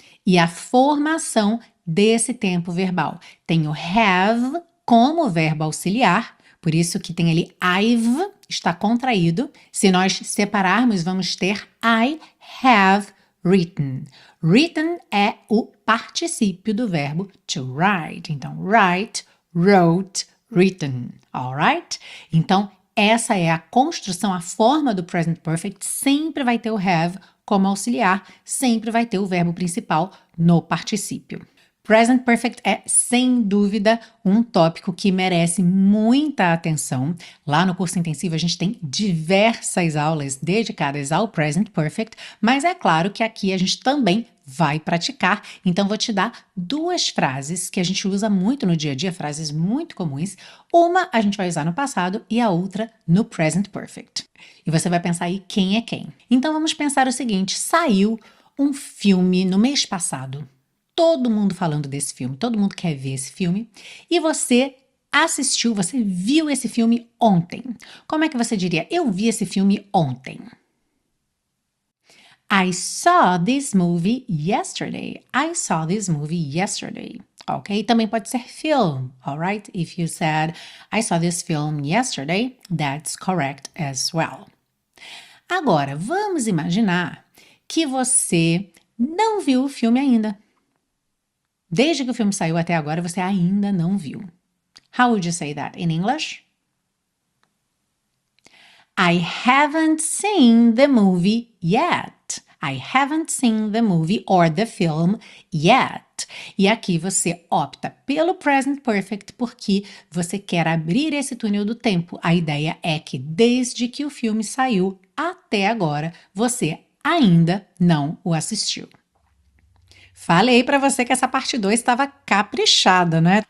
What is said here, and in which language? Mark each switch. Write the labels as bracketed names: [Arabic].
[Portuguese] E a formação desse tempo verbal tem o have como verbo auxiliar, por isso que tem ali I've, está contraído. Se nós separarmos, vamos ter I have written. Written é o particípio do verbo to write. Então, write, wrote, written. [English] Alright? [Portuguese] Então, essa é a construção, a forma do present perfect. Sempre vai ter o have como auxiliar, sempre vai ter o verbo principal no particípio. Present perfect é, sem dúvida, um tópico que merece muita atenção. Lá no curso intensivo, a gente tem diversas aulas dedicadas ao present perfect, mas é claro que aqui a gente também vai praticar. Então, vou te dar duas frases que a gente usa muito no dia a dia, frases muito comuns. Uma a gente vai usar no passado e a outra no present perfect. E você vai pensar aí quem é quem. Então, vamos pensar o seguinte: saiu um filme no mês passado. Todo mundo falando desse filme, todo mundo quer ver esse filme. E você assistiu, você viu esse filme ontem. Como é que você diria? Eu vi esse filme ontem. [English] I saw this movie yesterday. I saw this movie yesterday. Ok? [Portuguese] Também pode ser film, alright? [English] If you said I saw this film yesterday, that's correct as well. [Portuguese] Agora, vamos imaginar que você não viu o filme ainda. Desde que o filme saiu até agora, você ainda não viu. How would you say that in English? [English] I haven't seen the movie yet. I haven't seen the movie or the film yet. [Portuguese] E aqui você opta pelo present perfect porque você quer abrir esse túnel do tempo. A ideia é que desde que o filme saiu até agora, você ainda não o assistiu. Falei para você que essa parte 2 estava caprichada, né?